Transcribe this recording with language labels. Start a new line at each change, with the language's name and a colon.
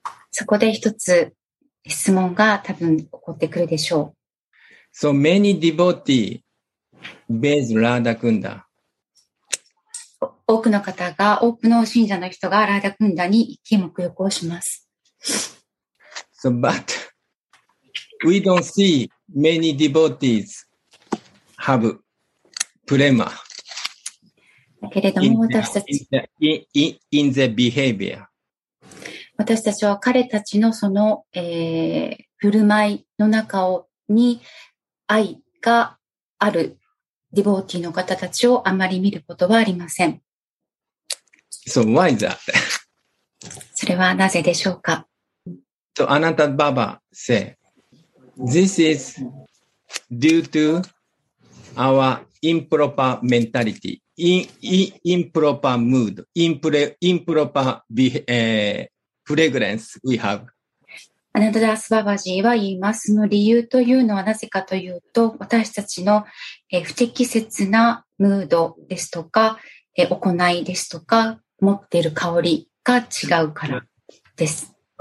Japanese: そこで一つ質問が多分起こってくるでしょう。
English: So many devotees bathe ラダクンダ。
Japanese: 多くの方が、多くの信者の人がラーダクンダに行き沐浴をします。
English: So, but we don't see many devotees have prema.
Japanese: だけれども私たち
English: in their behavior.
Japanese: 私たちは彼たちのその、振る舞いの中をに愛があるディボーティーの方たちをあまり見ることはありません。
English: So why is that?
Japanese: それはなぜでしょうか?
English: So Ananta Baba say, this is due to our improper mentality, improper mood, improper fragrance we have.
Japanese: Ananta Das Baba Ji は言います。その理由というのはなぜかというと、私たちの不適切なムードですとか、行いですとか、持っている香りが違うからです。